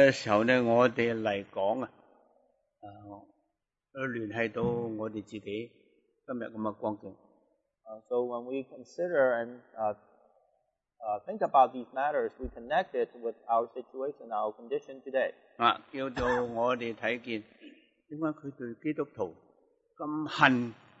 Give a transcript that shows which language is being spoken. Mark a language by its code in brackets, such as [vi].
[zh] 所以在這個時候,我們來講, 聯繫到我們自己今天的光景。 [en] So when we consider and think about these matters, we connect it with our situation, our condition today. [zh] 叫做我們看見,為什麼他對基督徒這麼恨?